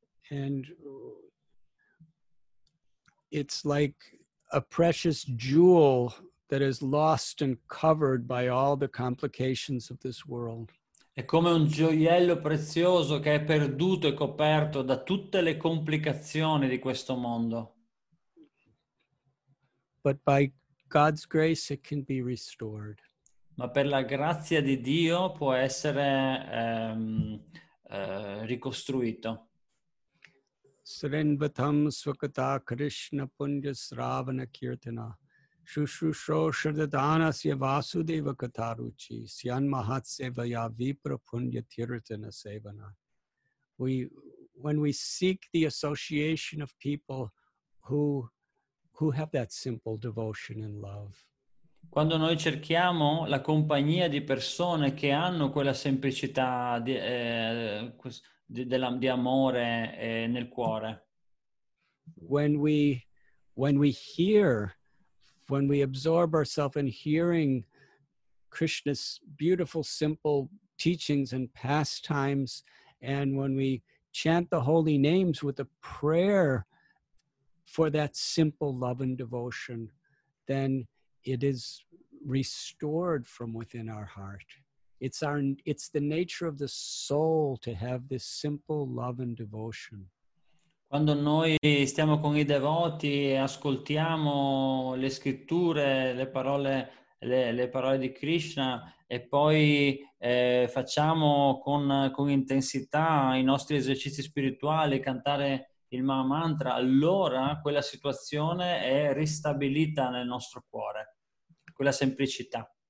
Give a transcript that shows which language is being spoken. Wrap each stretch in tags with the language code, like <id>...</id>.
<en>And it's like a precious jewel that is lost and covered by all the complications of this world.</en> <it>È come un gioiello prezioso che è perduto e coperto da tutte le complicazioni di questo mondo.</it> <en>But by God's grace it can be restored.</en> <it>Ma per la grazia di Dio può essere ricostruito.</it> <sa>Srinvatam svakata krishna punya sravana kirtana Shushusho Shadadana Syavasudeva Kataruchi Syan Mahatsevaya Vipra Punya Tiritana Sevana.</sa> <en>When we seek the association of people who have that simple devotion and love.</en> <it>Quando noi cerchiamo la compagnia di persone che hanno quella semplicità di amore nel cuore.</it> <en>When we hear, when we absorb ourselves in hearing Krishna's beautiful, simple teachings and pastimes, and when we chant the holy names with a prayer for that simple love and devotion, then it is restored from within our heart. It's the nature of the soul to have this simple love and devotion.</en> <it>Quando noi stiamo con i devoti e ascoltiamo le scritture, le parole di Krishna e poi facciamo con intensità i nostri esercizi spirituali, cantare il Maha Mantra, allora quella situazione è ristabilita nel nostro cuore, quella semplicità.</it>